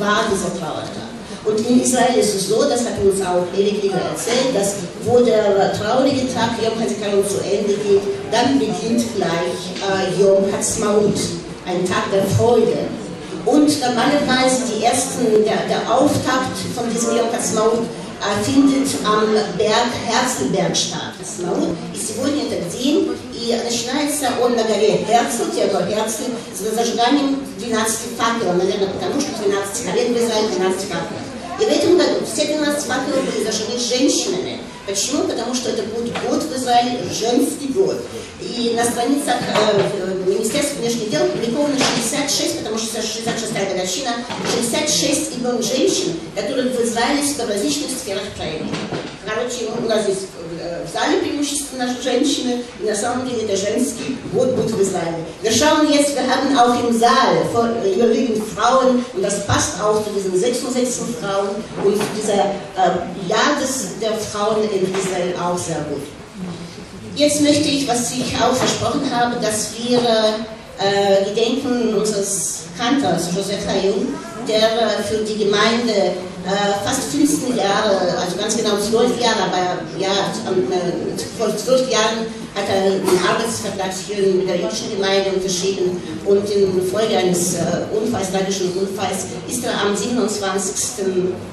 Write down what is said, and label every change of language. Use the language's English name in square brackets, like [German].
[German] war dieser Trauertag. Und in Israel ist es so, das hat uns auch Erik Lieber erzählt, dass wo der traurige Tag Yom HaZikaron zu Ende geht, dann beginnt gleich Yom HaTzmaut, ein Tag der Freude. Und normalerweise der Auftakt von diesem Yom HaTzmaut findet am Berg Herzlberg statt. HaTzmaut ist die Wohnung der Dien, die [Russian] начинается он на горе Герцл, Теодор Герцл, с зажиганием 12 факелов, наверное, потому что 12 колен в Израиле, 12 факелов. И в этом году все 12 факелов были зажжены женщинами. Почему? Потому что это будет год в Израиле, женский год. И на страницах Министерства внешних дел приковано 66, потому что 66-я годовщина, 66 имен женщин, которые в Израиле в различных сферах проявили. Короче, у нас здесь в зале преимущественно женщины, и на самом деле это женский год будет в Израиле. [German] Wir schauen jetzt, wir haben auch im Saal überwiegend Frauen, und das passt auch zu diesen 66 Frauen und zu dieser Jahr der Frauen in Israel auch sehr gut. Jetzt möchte ich, was ich auch versprochen habe, dass wir gedenken unseres Kantors, Joseph Hayoum, der für die Gemeinde fast 15 Jahre, also ganz genau 12 Jahre, aber ja, vor 12 Jahren hat er einen Arbeitsvertrag hier mit der jüdischen Gemeinde unterschrieben, und infolge eines tragischen Unfalls ist er am 27.